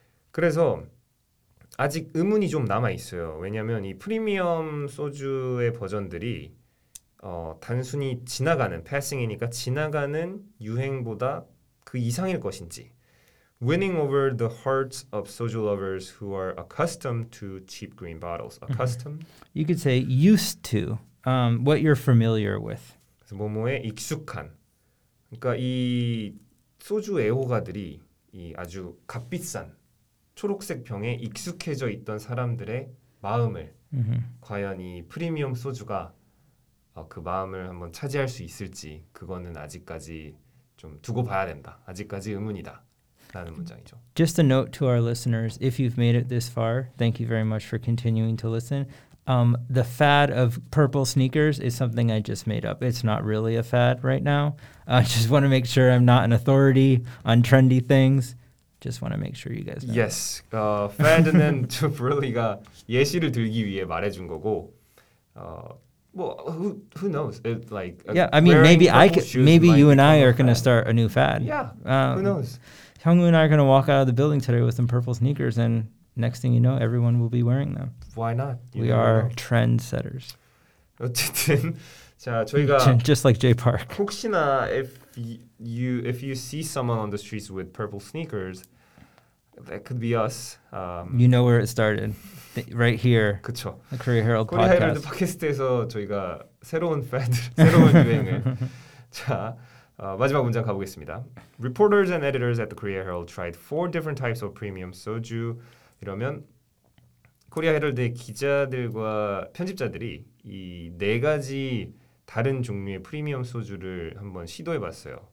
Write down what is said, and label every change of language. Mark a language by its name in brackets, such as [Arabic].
[Korean] 그래서 아직 의문이 좀 남아 있어요. 왜냐면 이 프리미엄 소주의 버전들이 단순히 지나가는 패싱이니까 지나가는 유행보다 그 이상일 것인지. [English] Winning over the hearts of soju lovers who are accustomed to cheap green bottles. Accustomed? Mm-hmm. You could say used to, what you're familiar with. [Korean] 뭐뭐에 익숙한. 그러니까 이 소주 애호가들이 이 아주 값비싼 초록색 병에 익숙해져 있던 사람들의 마음을 mm-hmm. 과연 이 프리미엄 소주가 그 마음을 한번 차지할 수 있을지 그거는 아직까지 좀 두고 봐야 된다. 아직까지 의문이다. [English] Just a note to our listeners, if you've made it this far, thank you very much for continuing to listen. The fad of purple sneakers is something I just made up. It's not really a fad right now. I just want to make sure I'm not an authority on trendy things. Just want to make sure you guys know. [Korean] Yes. Fad는 Brawley가 예시를 들기 위해 말해준 거고. [English] Who knows? Maybe you and I are going to start a new fad. Yeah, who knows? Hyungwoo and I are going to walk out of the building today with some purple sneakers, and next thing you know, everyone will be wearing them. Why not? We are trendsetters. [Korean] 어쨌든, 자 저희가 [English] just like Jay Park. [Korean] 혹시나 [English] if you see someone on the streets with purple sneakers, that could be us. You know where it started, right here. [Korean] 그쵸. [English] The Korea Herald podcast. [Korean] 코리아 헤럴드 팟캐스트에서 저희가 새로운 팬들, 새로운 유행을 자. 마지막 문장 가보겠습니다. [English] Reporters and editors at the Korea Herald tried four different types of premium soju. [Korean] 이러면 코리아 헤럴드의 기자들과 편집자들이 이 네 가지 다른 종류의 프리미엄 소주를 한번 시도해 봤어요.